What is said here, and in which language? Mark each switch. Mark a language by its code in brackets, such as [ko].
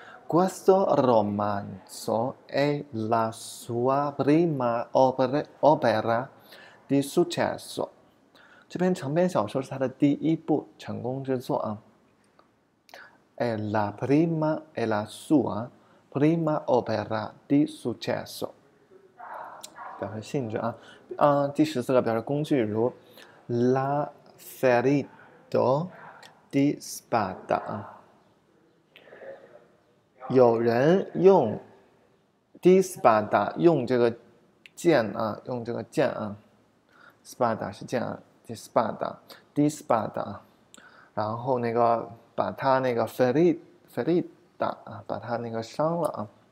[it] Questo romanzo è la sua prima opera di successo. [zh] 这篇长篇小说是他的第一部成功之作啊。 [it] È la sua prima opera di successo。 [zh] 表示性质啊，第14个表示工具，如 [it] la ferita di spada [zh] 啊。有人用 spada 用这个剑啊，用这个剑啊，spada 是剑啊，spada，spada，然后那个把他那个 ferita 啊，把他那个伤了啊。